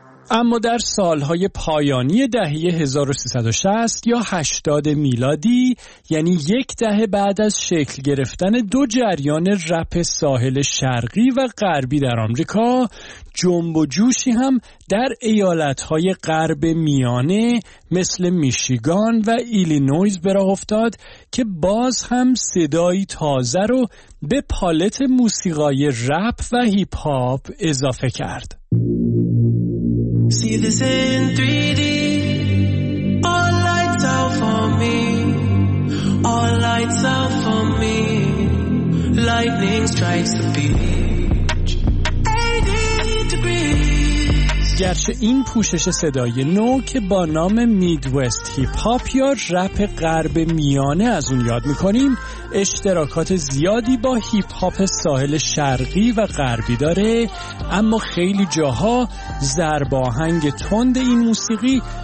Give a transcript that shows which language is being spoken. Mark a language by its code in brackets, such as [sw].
[fa] اما در سالهای پایانی دهه 1360 یا 80 میلادی، یعنی یک دهه بعد از شکل گرفتن دو جریان رپ ساحل شرقی و غربی در آمریکا، جنب و جوشی هم در ایالت‌های غرب میانه مثل میشیگان و ایلینویز به راه افتاد که باز هم صدایی تازه رو به پالت موسیقای رپ و هیپ هاپ اضافه کرد. [en] See this in 3D, all lights out for me, all lights out for me, lightning strikes the beach. [fa] گرچه این پوشش صدای نو که با نام میدوست هیپ هاپ یا رپ غرب میانه از اون یاد میکنیم، اشتراکات زیادی با هیپ هاپ ساحل شرقی و غربی داره، اما خیلی جاها ضرب آهنگ تند این موسیقی